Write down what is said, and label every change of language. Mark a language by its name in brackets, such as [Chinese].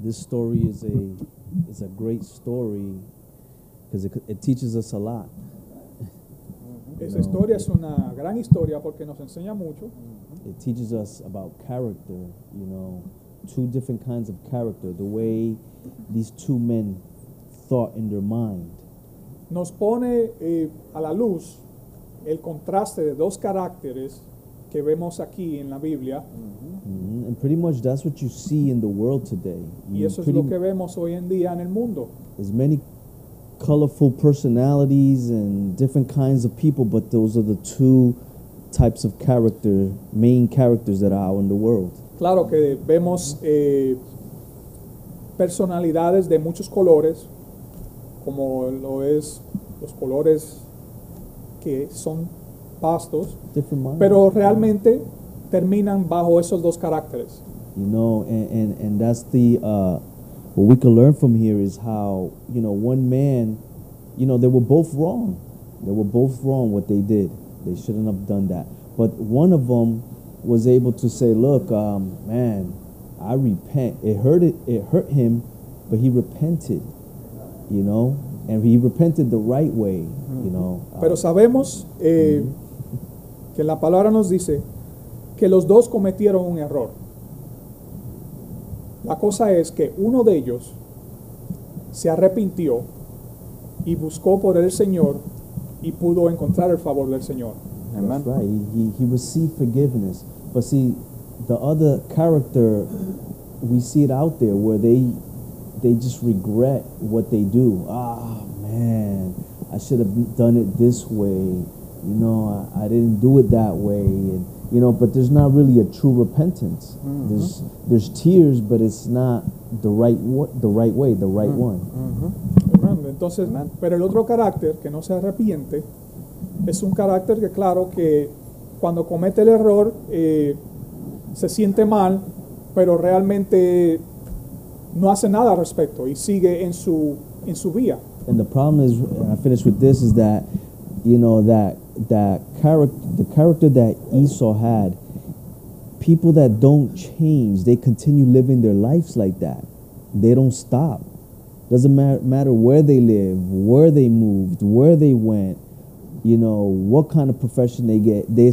[English] This story is a great story. Because it teaches us a lot. [Spanish] Esa historia es una gran historia porque nos enseña mucho. [English] It teaches us about character, you know, two different kinds of character, the way these two men thought in their mind. [Spanish] Nos pone a la luz el contraste de dos caracteres que vemos aquí en la Biblia. [English] And pretty much that's what you see in the world today. [Spanish] Y eso es lo que vemos hoy en día en el mundo. [English] There's many colorful personalities and different kinds of people, but those are the two types of character, main characters that are out in the world. [Spanish] Claro que vemos personalidades de muchos colores, como lo es los colores que son pastos, [English] different minds. [Spanish] Pero realmente terminan bajo esos dos caracteres. [English] You know, and that's the what we can learn from here is how, you know, one man, you know, they were both wrong. They were both wrong what they did. They shouldn't have done that. But one of them was able to say, look, man, I repent. It hurt him, but he repented, you know, and he repented the right way, you know. [Spanish] Pero sabemos que la palabra nos dice que los dos cometieron un error. La cosa es que uno de ellos se arrepintió y buscó por el Señor y pudo encontrar el favor del Señor. [English] Amen. That's right. He received forgiveness. But see, the other character, we see it out there where they just regret what they do. Ah, man, I should have done it this way. You know, I didn't do it that way. And, you know, but there's not really a true repentance. Mm-hmm. There's tears, but it's not the right way, the right one. [Spanish] Mm-hmm. Entonces, Amen. Pero el otro carácter que no se arrepiente es un carácter que, claro, que cuando comete el error se siente mal, pero realmente no hace nada al respecto y sigue en su vía. [English] And the problem is, and I finish with this, is that, you know, the character that Esau had, people that don't change, they continue living their lives like that. They don't stop. Doesn't matter where they live, where they moved, where they went, you know, what kind of profession they get.